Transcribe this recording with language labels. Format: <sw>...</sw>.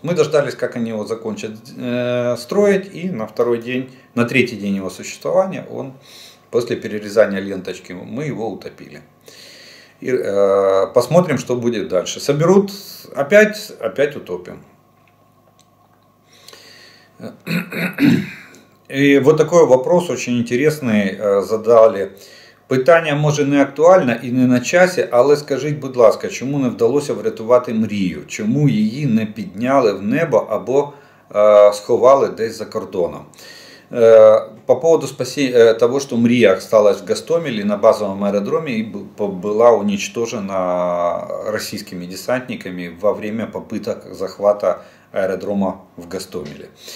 <ru>Мы дождались, как они его закончат строить. И на второй день, на третий день его существования, он после перерезания ленточки, мы его утопили. И посмотрим, что будет дальше. Соберут, опять утопим. И вот такой вопрос очень интересный задали.</ru> <uk>Питання, може, не актуальне і не на часі, але скажіть, будь ласка, чому не вдалося врятувати мрію? Чому її не підняли в небо або сховали десь за кордоном?</uk> <ru>По поводу того, что мрія осталась в Гостомелі на базовом аэродроме и была уничтожена российскими десантниками во время попыток захвата аэродрома в Гостомеле.</ru>